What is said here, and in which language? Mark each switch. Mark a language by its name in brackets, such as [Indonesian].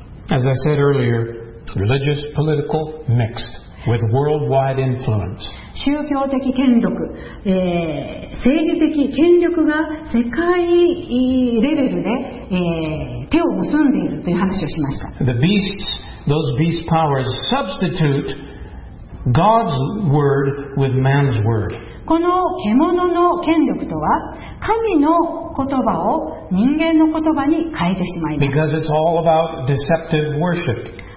[English] As I said earlier, religious, political, mixed with worldwide influence. [Japanese] 宗教的権力、政治的権力が世界レベルで、手を結んでいるという話をしました。 [English] The beasts, those beast powers substitute God's word with man's word. [Japanese] この獣の権力とは神の言葉を人間の言葉に変えてしまいます。 [English] Because it's all about deceptive worship.